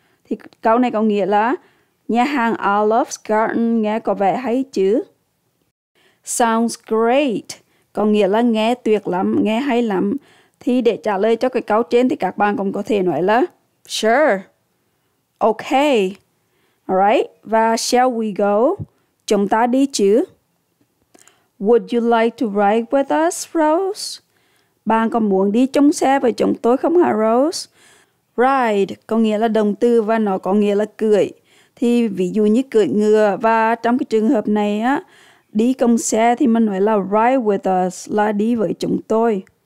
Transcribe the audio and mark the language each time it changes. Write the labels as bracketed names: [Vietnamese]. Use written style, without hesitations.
[Vietnamese] Thì câu này có nghĩa là nhà hàng Olive Garden nghe có vẻ hay chứ? [English] Sounds great. [Vietnamese] Có nghĩa là nghe tuyệt lắm, nghe hay lắm. Thì để trả lời cho cái câu trên thì các bạn cũng có thể nói là sure, okay, alright. Và [English] shall we go? [Vietnamese] Chúng ta đi chứ? [English] Would you like to ride with us, Rose? [Vietnamese] Bạn có muốn đi chung xe với chúng tôi không hả, Rose? Ride có nghĩa là động từ và nó có nghĩa là cưỡi. Thì ví dụ như cưỡi ngựa và trong cái trường hợp này á, đi công xe thì mình nói là [English] ride with us, [Vietnamese] là đi với chúng tôi.